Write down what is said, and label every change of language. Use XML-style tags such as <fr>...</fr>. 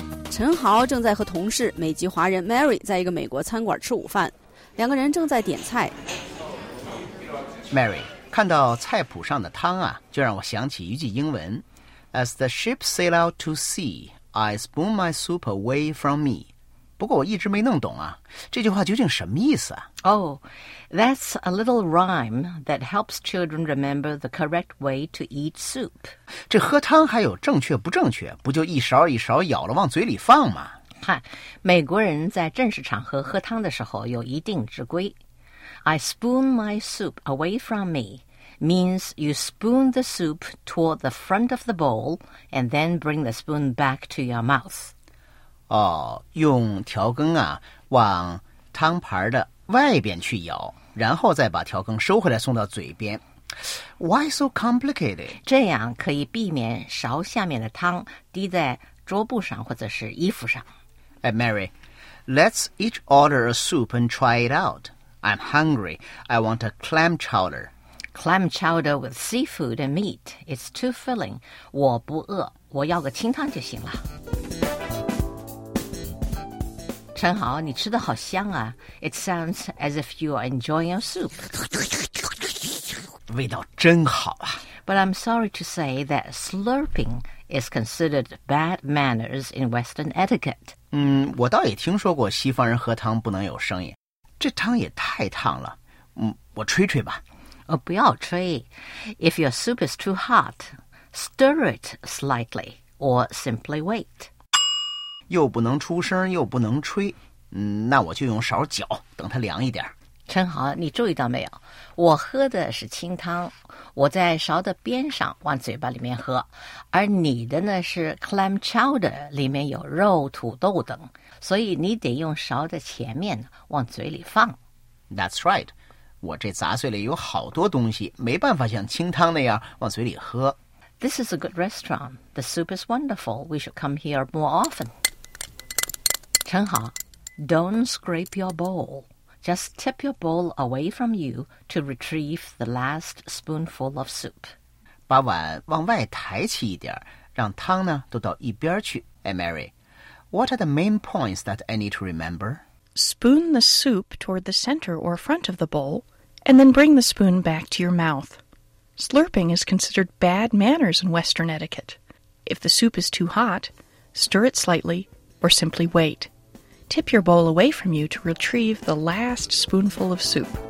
<zh>陈豪正在和同事美籍华人 Mary 在一个美国餐馆吃午饭，两个人正在点菜。 Mary， 看到菜谱上的汤啊，就让我想起一句英文，</zh> <en>As the ship sail out to sea, I spoon my soup away from me。</en> <zh>不过我一直没弄懂啊，这句话究竟什么意思啊？</zh> <en>Oh, that's a little rhyme that helps children remember the correct way to eat soup.</en> <zh>这喝汤还有正确不正确，不就一勺一勺舀了往嘴里放吗？看，美国人在正式场合喝汤的时候有一定之规。</zh> <en>I spoon my soup away from me means you spoon the soup toward the front of the bowl and then bring the spoon back to your mouth.</en> <zh>哦，用调羹啊往汤盘的外边去舀，然后再把调羹收回来送到嘴边。</zh> <en>Why so complicated?</en> <zh>这样可以避免勺下面的汤滴在桌布上或者是衣服上。</zh> <en>Hey Mary, let's each order a soup and try it out. I'm hungry, I want a clam chowder. Clam chowder with seafood and meat, it's too filling.</en> <zh>我不饿，我要个清汤就行了。陈豪，你吃的好香啊。</zh> <en>It sounds as if you are enjoying your soup.</en> <zh>味道真好啊。</zh> <en>But I'm sorry to say that slurping is considered bad manners in Western etiquette.</en> <zh>我倒也听说过西方人喝汤不能有声音。这汤也太烫了。我吹吹吧。不要吹。</zh> <en>If your soup is too hot, stir it slightly or simply wait.</en> <zh>又不能出声又不能吹，那我就用勺搅，等它凉一点。陈豪，你注意到没有，我喝的是清汤，我在勺的边上往嘴巴里面喝，而你的呢是 clam chowder， 里面有肉土豆等，所以你得用勺的前面往嘴里放。</zh> <en>That's right，</en> <zh>我这杂碎里有好多东西，没办法像清汤那样往嘴里喝。</zh> <en>This is a good restaurant. The soup is wonderful. We should come here more often. 陈豪， don't scrape your bowl. Just tip your bowl away from you to retrieve the last spoonful of soup.</en> <zh>把碗往外抬起一点，让汤呢都到一边去。</zh> <en>Hey Mary, what are the main points that I need to remember? Spoon the soup toward the center or front of the bowl, and then bring the spoon back to your mouth. Slurping is considered bad manners in Western etiquette. If the soup is too hot, stir it slightly or simply wait.Tip your bowl away from you to retrieve the last spoonful of soup.</en>